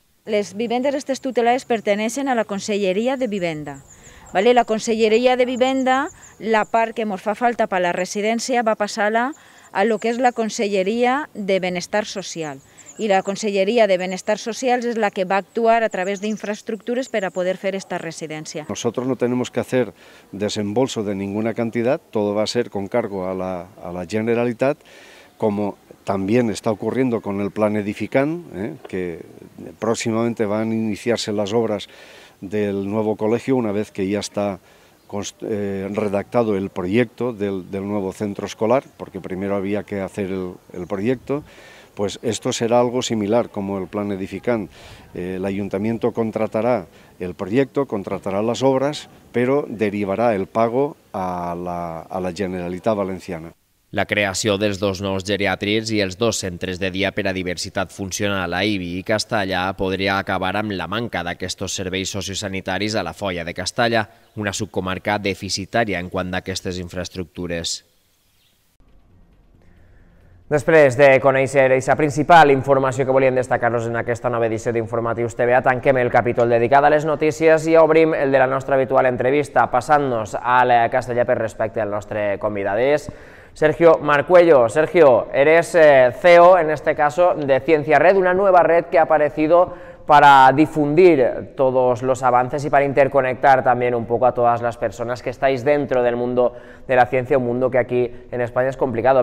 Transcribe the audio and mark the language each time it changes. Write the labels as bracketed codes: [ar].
[ca] Les vivendes aquestes tutelades pertanyen a la Conselleria de Vivenda. La Conselleria de Vivenda, la part que ens fa falta per a la residència, va passar-la a el que és la Conselleria de Benestar Social. I la Conselleria de Benestar Social és la que va actuar a través d'infraestructures per a poder fer aquesta residència. [es] Nosotros no tenemos que hacer desembolso de ninguna cantidad, todo va a ser con cargo a la Generalitat, como también está ocurriendo con el Plan Edificant, que próximamente van a iniciarse las obras del nuevo colegio una vez que ya está redactado el proyecto del nuevo centro escolar, porque primero había que hacer el proyecto, pues esto será algo similar como el Plan Edificant. El ayuntamiento contratará el proyecto, contratará las obras, pero derivará el pago a la Generalitat Valenciana. [ca] La creació dels dos nous geriàtrics i els dos centres de dia per a diversitat funcional a IBI i Castalla podria acabar amb la manca d'aquests serveis sociosanitaris a la Foia de Castalla, una subcomarca deficitària en quant a aquestes infraestructures. Després de conèixer aquesta principal informació que volíem destacar-nos en aquesta nova edició d'Informatius TVA, tanquem el capítol dedicat a les notícies i obrim el de la nostra habitual entrevista, passant-nos a la Castalla per respecte al nostre convidat. Sergio Marcuello. [es] Sergio, eres CEO, en este caso, de Ciencia Red, una nueva red que ha aparecido para difundir todos los avances y para interconectar también un poco a todas las personas que estáis dentro del mundo de la ciencia, un mundo que aquí en España es complicado.